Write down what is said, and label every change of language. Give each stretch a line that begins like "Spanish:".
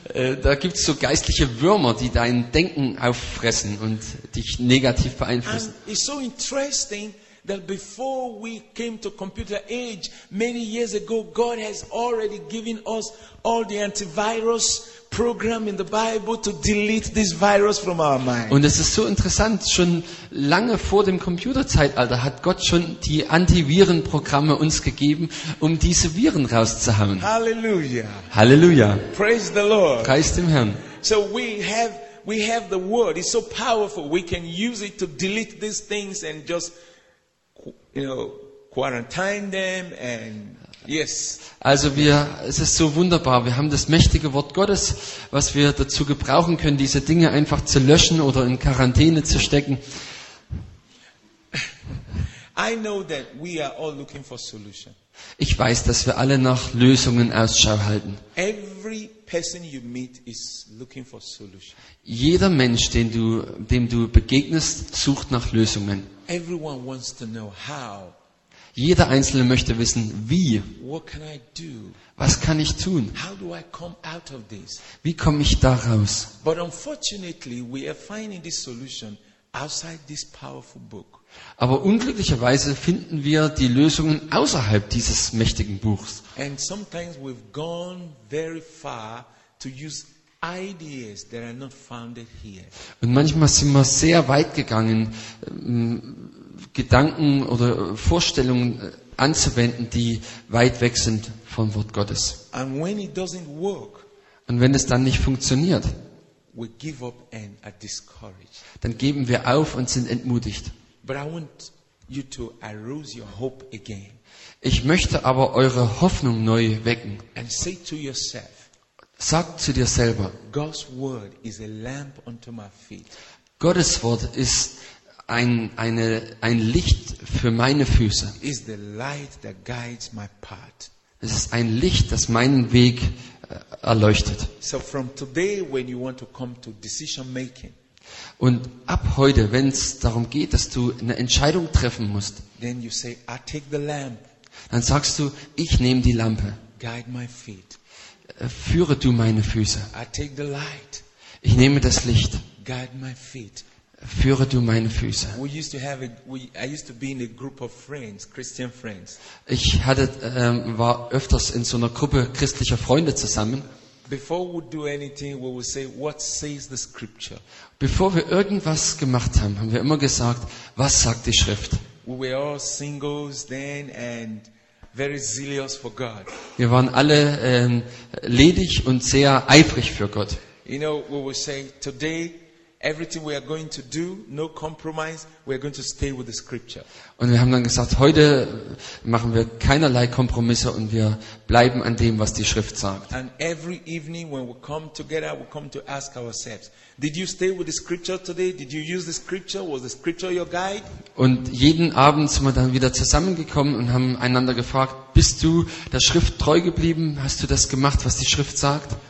German: Da gibt's so geistliche Würmer, die dein Denken auffressen und dich negativ beeinflussen.
English: And it's so interesting that before we came to computer age, many years ago, God has already given us all the antivirus program in the Bible to delete this virus from our mind.
German: Und es ist so interessant, schon lange vor dem Computerzeitalter hat Gott schon die Antivirenprogramme uns gegeben, um diese Viren rauszuhauen. Halleluja. Halleluja.
English: Praise the Lord.
German: Preis dem Herrn.
English: So we have the word. It's so powerful. We can use it to delete these things and just, you know, quarantine them and yes.
German: Also wir, es ist so wunderbar, wir haben das mächtige Wort Gottes, was wir dazu gebrauchen können, diese Dinge einfach zu löschen oder in Quarantäne zu stecken.
English: I know that we are all looking for solution.
German: Ich weiß, dass wir alle nach Lösungen Ausschau halten.
English: Every person you meet is looking for solution.
German: Jeder Mensch, dem du begegnest, sucht nach Lösungen.
English: Everyone wants to know how.
German: Jeder Einzelne möchte wissen, wie.
English: What can I do?
German: Was kann ich tun?
English: How do I come out of this?
German: Wie komme ich daraus?
English: But unfortunately, we are finding this solution outside this powerful book.
German: Aber unglücklicherweise finden wir die Lösungen außerhalb dieses mächtigen Buchs.
English: And sometimes we've gone very far to use ideas that are not founded here.
German: Und manchmal sind wir sehr weit gegangen, Gedanken oder Vorstellungen anzuwenden, die weit weg sind vom Wort Gottes.
English: And when it doesn't work,
German: und wenn es dann nicht funktioniert,
English: we give up and are discouraged.
German: Dann geben wir auf und sind entmutigt.
English: But I want you to arouse your hope again.
German: Ich möchte aber eure Hoffnung neu wecken.
English: And say to yourself,
German: sag zu dir selber,
English: God's word is a lamp unto my feet.
German: Gottes Wort ist ein Licht für meine Füße.
English: Is the light that guides my path.
German: Es ist ein Licht, das meinen Weg erleuchtet.
English: So from today, when you want to come to decision making.
German: Und ab heute, wenn es darum geht, dass du eine Entscheidung treffen musst,
English: then you say, I take the lamp.
German: Dann sagst du, ich nehme die Lampe.
English: Guide my feet.
German: Führe du meine Füße.
English: I take the light.
German: Ich nehme das Licht.
English: Guide my feet.
German: Führe du meine Füße.
English: I used to be in a group of friends, Christian friends.
German: Ich hatte, war öfters in so einer Gruppe christlicher Freunde zusammen.
English: Before we do anything, we will say, what says the scripture?
German: Bevor wir irgendwas gemacht haben, haben wir immer gesagt, was sagt die Schrift?
English: We were all singles then and very zealous for God.
German: Wir waren alle ledig und sehr eifrig für Gott.
English: You know, we will say, today, everything we are going to do, no compromise, we are going to stay with the scripture.
German: Und wir haben dann gesagt, heute machen wir keinerlei Kompromisse und wir bleiben an dem, was die Schrift sagt.
English: And every evening when we come together, we come to ask ourselves, did you stay with the scripture today? Did you use the scripture? Was the scripture your guide?
German: Und jeden Abend sind wir dann wieder zusammengekommen und haben einander gefragt, bist du der Schrift treu geblieben? Hast du das gemacht, was die Schrift sagt?